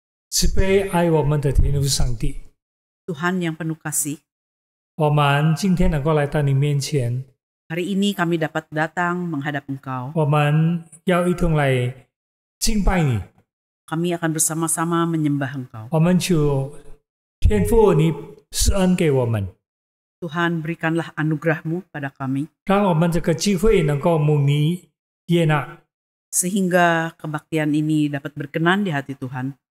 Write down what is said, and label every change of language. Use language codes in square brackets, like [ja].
[zh] 慈悲爱我们的天父上帝。 [ms] Tuhan yang penuh kasih. [zh] 我们今天能够来到你面前。 [ms] Hari ini kami dapat datang menghadap engkau. [zh] 我们要一同来敬拜你。 [ms] Kami akan bersama-sama menyembah engkau. [zh] 我们求天父你施恩给我们。 [ms] Tuhan berikanlah anugerahmu pada kami. [zh] 让我们这个机会能够蒙你Yena. [ms] Sehingga kebaktian ini dapat berkenan di hati Tuhan.